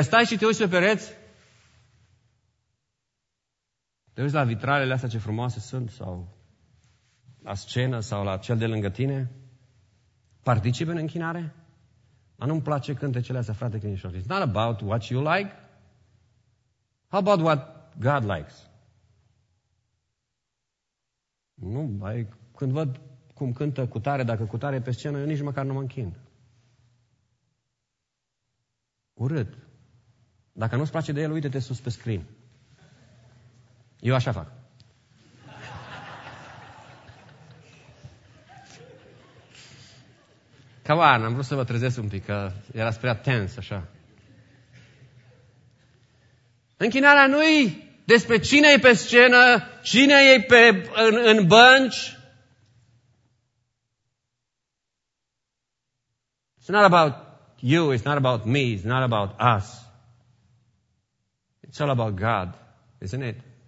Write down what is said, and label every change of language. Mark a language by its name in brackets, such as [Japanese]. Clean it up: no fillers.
[Romanian] Stai și te uiți pe pereți? Te uiți la vitralele astea ce frumoase sunt? Sau la scenă? Sau la cel de lângă tine? Participi în închinare? Dar nu-mi place cântecele astea, frate, când ești. [English] It's not about what you like. How about what God likes? [Romanian] Nu, mai când văd cum cântă cu tare, dacă cu tare pe scenă, eu nici măcar nu mă închin. Urât. Dacă nu-ți place de el, uite-te sus pe screen. Eu așa fac. [English] Come on, [Romanian] am vrut să vă trezesc un pic, că era prea tens, așa. Închinarea nu-i despre cine e pe scenă, cine e în bănci. [English] It's not about you, it's not about me, it's not about us. It's all about God, isn't it?